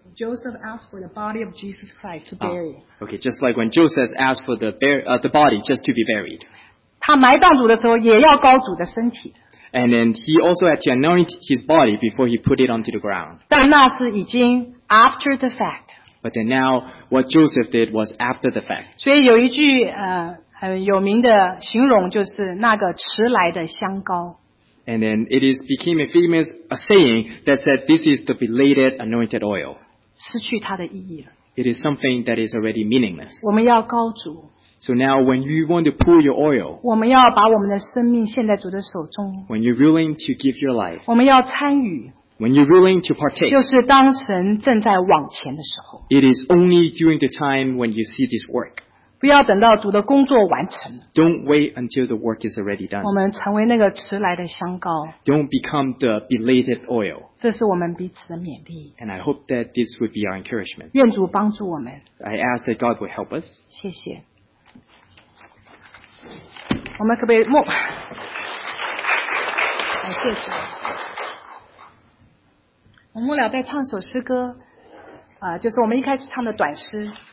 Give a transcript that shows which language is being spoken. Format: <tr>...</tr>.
<en>Joseph asked for the body of Jesus Christ to bury. Okay, just like when Joseph asked for the body just to be buried.</en> <zh>他埋葬主的时候也要膏主的身体。</zh> <en>And then he also had to anoint his body before he put it onto the ground.</en> <zh>但那是已经</zh> <en>after the fact. But then now what Joseph did was after the fact.</en> <zh>所以有一句 很有名的形容就是那个迟来的香膏。</zh> <en>And then it is became a famous saying that said this is the belated anointed oil.</en> <zh>失去它的意义了。</zh> <en>It is something that is already meaningless.</en> <zh>我们要膏主。</zh> <en>So now when you want to pour your oil,</en> <zh>我们要把我们的生命献在主的手中。</zh> <en>When you're willing to give your life,</en> <zh>我们要参与。</zh> <en>When you're willing to partake,</en> <zh>就是当神正在往前的时候。</zh> <en>It is only during the time when you see this work.</en> <zh>不要等到主的工作完成。</zh> <en>Don't wait until the work is already done.</en> <zh>我们成为那个迟来的香膏。</zh> <en>Don't become the belated oil.</en> <zh>这是我们彼此的勉励。</zh> <en>And I hope that this would be our encouragement.</en> <zh>愿主帮助我们。</zh> <en>I ask that God would help us.</en> <zh>谢谢。我们可不可以牧？感谢主。我们牧了在唱首诗歌，就是我们一开始唱的短诗。</zh>